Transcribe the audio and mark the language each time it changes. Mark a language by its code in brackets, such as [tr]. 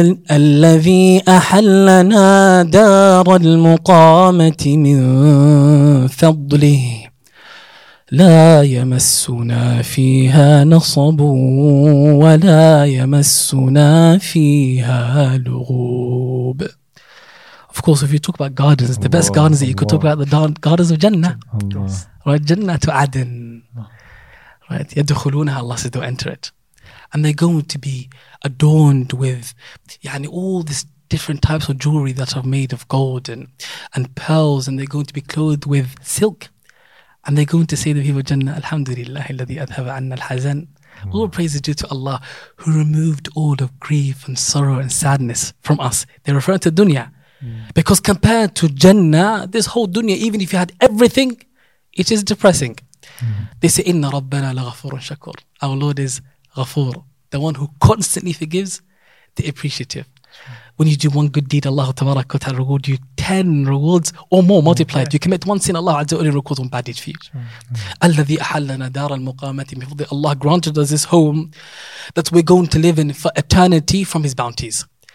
[ar] الذي أحلنا دار المقامة من فضله لا يمسنا فيها نصب ولا يمسنا فيها لغوب. [en] Of course, if you talk about gardens, the best gardens that you could talk about, the gardens of Jannah. Right, Jannah to Aden. Right, يدخلونها, Allah says they'll enter it. And they're going to be adorned with all these different types of jewelry that are made of gold and pearls, and they're going to be clothed with silk. And they're going to say the people of Jannah, Alhamdulillah, [ar] الذي أذهب عنا الحزن. [en] All praise is due to Allah who removed all of grief and sorrow and sadness from us. They're referring to dunya. Because compared to Jannah, this whole dunya, even if you had everything, it is depressing. They say, [ar] إِنَّ رَبَّنَا لَغَفُورٌ شَكُورٌ. [en] Our Lord is غفور, the one who constantly forgives the appreciative. When you do one good deed, Allah Tabarak wa Ta'ala reward you 10 rewards or more multiplied. Okay. You commit one sin, Allah Azza wa Jalla records one bad deed for you. [ar] الَّذِي أَحَلَّنَا دَارَ الْمُقَامَةِ مِفْضِي. [en] Allah granted us this home that we're going to live in for eternity from His bounties.